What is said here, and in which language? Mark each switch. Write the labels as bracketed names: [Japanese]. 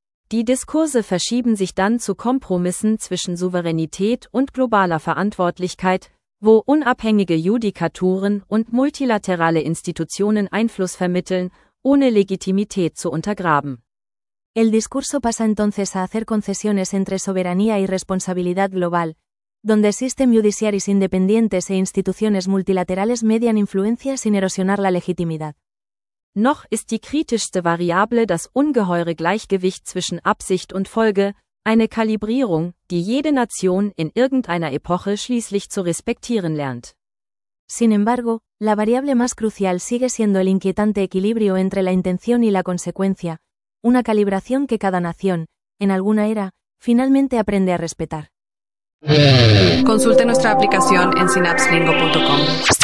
[German] Die Diskurse verschieben sich dann zu Kompromissen zwischen Souveränität und globaler Verantwortlichkeit, wo unabhängige Judikaturen und multilaterale Institutionen Einfluss vermitteln, ohne Legitimität zu untergraben. [Spanish] El discurso pasa entonces a hacer concesiones entre soberanía y responsabilidad global, donde existen judiciaries independientes e instituciones multilaterales median influencia sin erosionar la legitimidad. [German] Noch ist die kritischste Variable das ungeheure Gleichgewicht zwischen Absicht und Folge, eine Kalibrierung, die jede Nation in irgendeiner Epoche schließlich zu respektieren lernt. [Spanish] Sin embargo, la variable más crucial sigue siendo el inquietante equilibrio entre la intención y la consecuencia, una calibración que cada nación, en alguna era, finalmente aprende a respetar. Consulte nuestra aplicación en synapslingo.com.